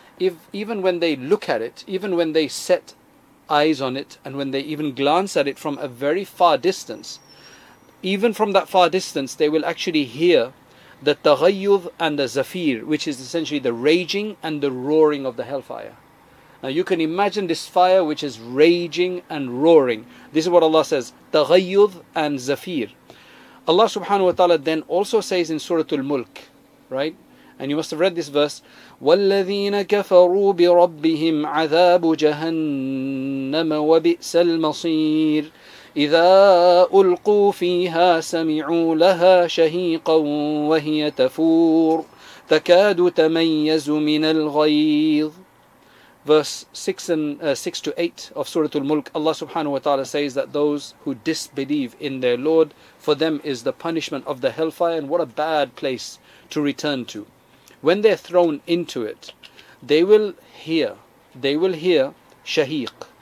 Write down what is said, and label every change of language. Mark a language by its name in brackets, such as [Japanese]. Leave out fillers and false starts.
[English] If, even when they look at it, even when they set eyes on it, and when they even glance at it from a very far distance, even from that far distance, they will actually hear the تَغَيُّذ and the zafir, which is essentially the raging and the roaring of the hellfire. Now you can imagine this fire which is raging and roaring. This is what Allah says, تَغَيُّذ and zafir. Allah subhanahu wa ta'ala then also says in Surah Al-Mulk, right? And you must have read this verse, [Arabic] وَالَّذِينَ كَفَرُوا بِرَبِّهِمْ عَذَابُ جَهَنَّمَ وَبِئْسَ الْمَصِيرِ إِذَا أُلْقُوا فِيهَا سَمِعُوا لَهَا شَهِيقًا وَهِيَ تَفُورُ تَكَادُ تَمَيَّزُ مِنَ الْغَيْظِ. [English] Verse 6 and 6 to 8 of Surah Al-Mulk, Allah subhanahu wa ta'ala says that those who disbelieve in their Lord, for them is the punishment of the hellfire, and what a bad place to return to. When they're thrown into it, they will hear shahiq.